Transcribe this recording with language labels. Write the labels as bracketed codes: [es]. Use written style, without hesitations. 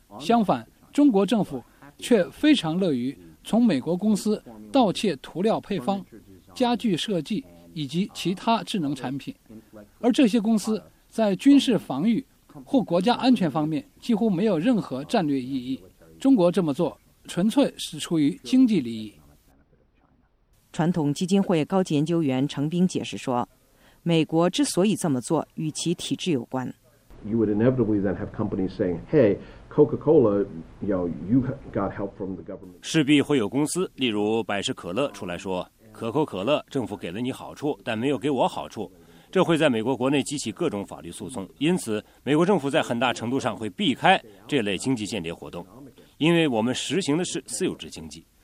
[zh] 相反，中国政府却非常乐于从美国公司盗窃涂料配方、家具设计以及其他智能产品，而这些公司在军事防御或国家安全方面几乎没有任何战略意义。中国这么做纯粹是出于经济利益。传统基金会高级研究员程斌解释说，美国之所以这么做与其体制有关。 [en] You would inevitably then have companies saying, hey, Coca-Cola, you got help from the government. [zh] 势必会有公司，例如百事可乐出来说，可口可乐政府给了你好处，但没有给我好处。这会在美国国内激起各种法律诉讼，因此美国政府在很大程度上会避开这类经济间谍活动，因为我们实行的是私有制经济。